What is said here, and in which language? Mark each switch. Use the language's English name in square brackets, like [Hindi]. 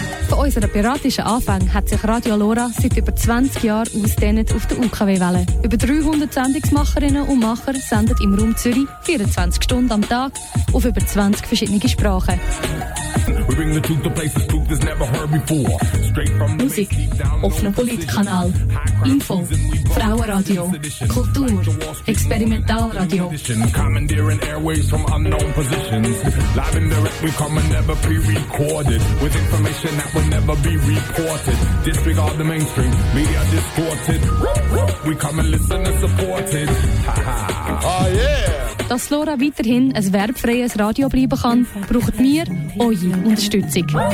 [German] Bei unseren piratischen Anfängen hat sich Radio Lora seit über 20 Jahren ausdehnt auf der UKW-Welle. Über 300 Sendungsmacherinnen und Macher senden im Raum Zürich 24 Stunden am Tag auf über 20 verschiedene Sprachen. [English] We bring the truth to places truth has never heard before. Straight from the Musik, [German] offener Politkanal, Info, Frauenradio, Kultur, Experimentalradio. [English] Commandeering airwaves from unknown positions. Live and direct, we come and never pre-recorded. With information that will never be reported. Disregard the mainstream, media distorted. We come and listen and support it. Ah, yeah! [German] Dass Lora weiterhin ein werbfreies Radio bleiben kann, braucht wir eure Unterstützung.